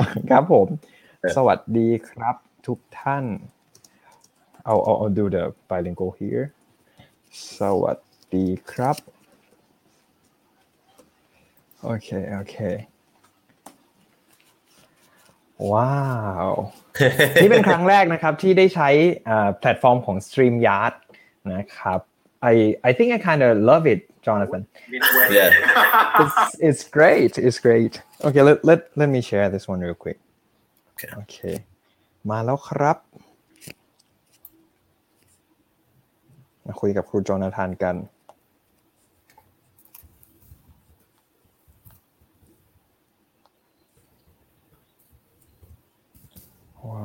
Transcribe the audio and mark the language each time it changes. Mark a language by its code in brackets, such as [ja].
[th] ครับผมสวัสดีครับทุกท่านเอา [en] do the bilingual here [th] สวัสดีครับโอเคว้าวนี่เป็นครั้งแรกนะครับที่ได้ใช้แพลตฟอร์มของ StreamYard นะครับ [en] I think I kind of love it, Jonathan. Yeah. It's great. Okay, let me share this one real quick. Okay. [th] มาแล้วครับมาคุยกับครูโจนาธานกันว